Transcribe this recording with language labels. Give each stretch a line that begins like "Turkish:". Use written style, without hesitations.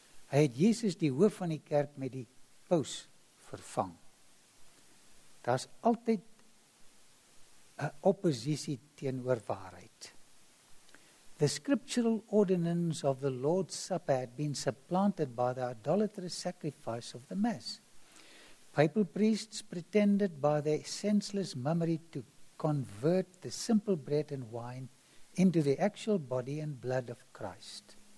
Afrikaans: Hy het Jesus die hoof van die kerk met die paus vervang. Daar is altyd een oppositie teenoor waarheid.
English: The scriptural ordinance of the Lord's Supper had been supplanted by the idolatrous sacrifice of the Mass. Papal priests pretended by their senseless mummery to convert the simple bread and wine into the actual body and blood of Christ.